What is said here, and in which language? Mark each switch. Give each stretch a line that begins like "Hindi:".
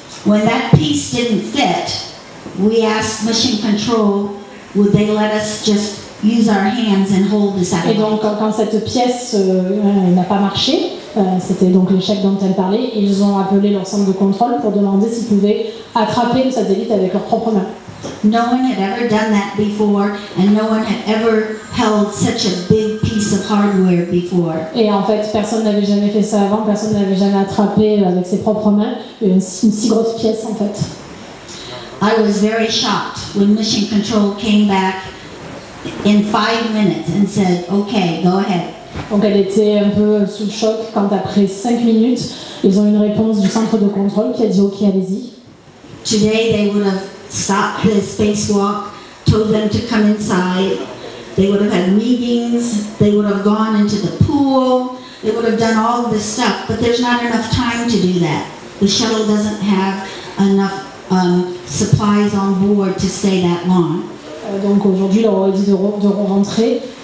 English: When that piece didn't fit, we asked mission control, would they let us just use our hands and hold the satellite?
French: Et donc quand cette pièce n'a pas marché, c'était donc l'échec dont elle parlait, ils ont appelé leur centre de contrôle pour demander s'ils pouvaient attraper le satellite avec leurs propres mains.
English: No one had ever done that before, and no one had ever held such a big piece of hardware before.
French: Et en fait, personne n'avait jamais fait ça avant. Personne n'avait jamais attrapé avec ses propres mains une si grosse pièce, en fait.
English: I was very shocked when mission control came back in 5 minutes and said, "Okay, go ahead."
French: Donc elle était un peu sous le choc quand après 5 minutes, ils ont une réponse du centre de contrôle qui a dit, "Okay, allez-y."
English: Today they would have stop the spacewalk, told them to come inside. They would have had meetings, they would have gone into the pool, they would have done all of this stuff, but there's not enough time to do that. The shuttle doesn't have enough supplies on board to stay that long.
French: Donc aujourd'hui, leur aurait dit de rentrer.